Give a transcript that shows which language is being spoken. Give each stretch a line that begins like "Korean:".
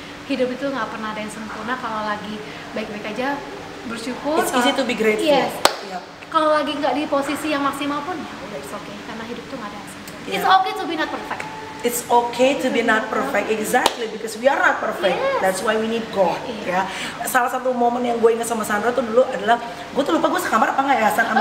Indonesian: Hidup itu gak pernah ada yang sempurna, kalau lagi baik-baik aja bersyukur.
English: It's easy to be grateful.
Indonesian: Kalau lagi gak di posisi yang maksimal pun, ya udah
English: it's okay,
Indonesian: karena hidup itu gak ada yang sempurna.
English: It's okay to be not perfect. It's okay to be not perfect, exactly, because we are not perfect. That's why we need God.
Indonesian: Salah satu momen yang gue ingat sama Sandra tuh dulu adalah gue tuh lupa gue sekamar apa nggak ya, San?